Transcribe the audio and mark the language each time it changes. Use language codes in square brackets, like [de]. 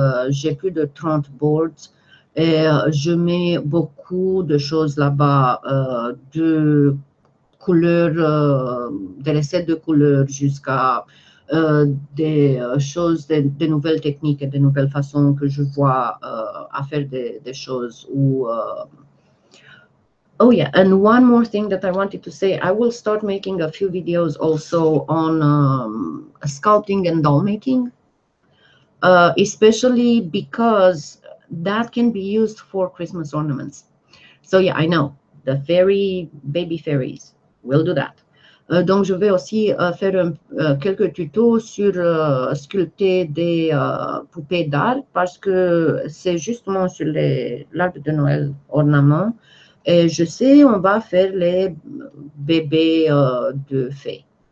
[fr] J'ai plus de 30 boards et je mets beaucoup de choses là-bas, de couleurs, des recettes de couleurs jusqu'à des choses, des nouvelles techniques et des nouvelles façons que je vois à faire des choses ou... [en] Oh yeah, and one more thing that I wanted to say, I will start making a few videos also on sculpting and doll making, especially because that can be used for Christmas ornaments. So yeah, I know, the fairy, baby fairies, will do that. [fr] Donc je vais aussi faire quelques tutos sur sculpter des poupées d'art, parce que c'est justement sur l'arbre de Noël ornement. Et je sais, on va faire les bébés de fées.